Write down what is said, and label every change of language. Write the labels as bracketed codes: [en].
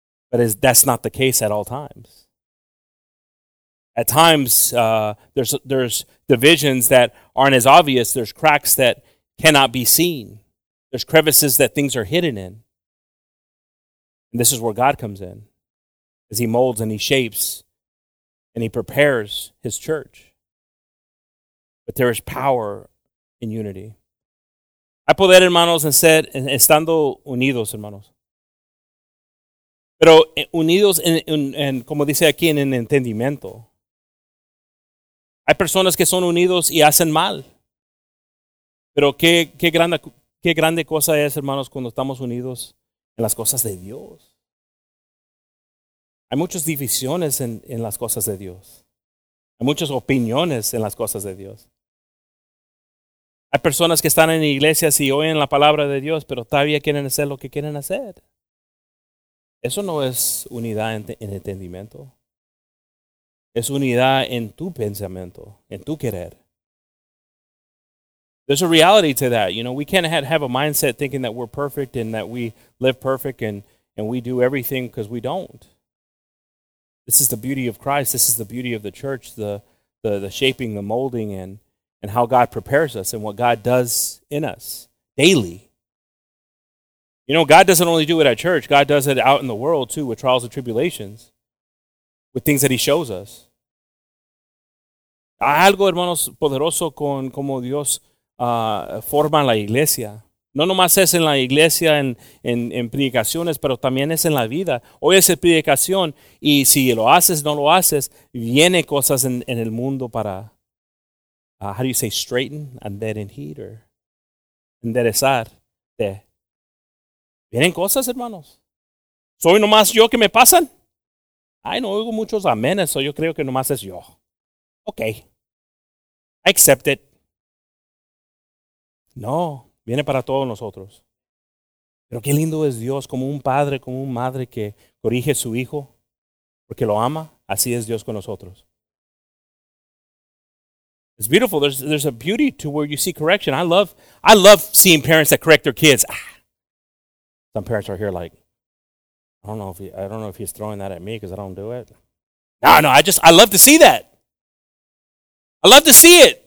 [en] But that's not the case at all times. At times, there's divisions that aren't as obvious. There's cracks that cannot be seen. There's crevices that things are hidden in. And this is where God comes in, as he molds and he shapes and he prepares his church. But there is power in unity. [es] Hay poder, hermanos, en ser estando unidos, hermanos. Pero unidos en como dice aquí, en entendimiento. Hay personas que son unidos y hacen mal. Pero qué grande cosa es, hermanos, cuando estamos unidos en las cosas de Dios. Hay muchas divisiones en las cosas de Dios. Hay muchas opiniones en las cosas de Dios. Hay personas que están en iglesias y oyen la palabra de Dios, pero todavía quieren hacer lo que quieren hacer. Eso no es unidad en entendimiento. Es unidad en tu pensamiento, en tu querer. [en] There's a reality to that. You know, we can't have a mindset thinking that we're perfect and that we live perfect and we do everything, because we don't. This is the beauty of Christ. This is the beauty of the church, the shaping, the molding, and how God prepares us and what God does in us daily. You know, God doesn't only do it at church. God does it out in the world too, with trials and tribulations, with things that he shows us. [es] Hay algo, hermanos, poderoso con como Dios forma la iglesia. No nomás es en la iglesia, en predicaciones, pero también es en la vida. Hoy es predicación, y si lo haces, no lo haces, viene cosas en el mundo para, [en] how do you say, straighten, and then in heat, [es] or enderezarte. Vienen cosas, hermanos. ¿Soy nomás yo que me pasan? Ay, no oigo muchos amenes, so yo creo que nomás es yo. Okay. [en] I accept it. [es] No, viene para todos nosotros. Pero qué lindo es Dios, como un padre, como una madre que corrige a su hijo porque lo ama. Así es Dios con nosotros. [en] It's beautiful. There's a beauty to where you see correction. I love seeing parents that correct their kids. Some parents are here like, I don't know if he's throwing that at me because I don't do it. No, I love to see that. I love to see it.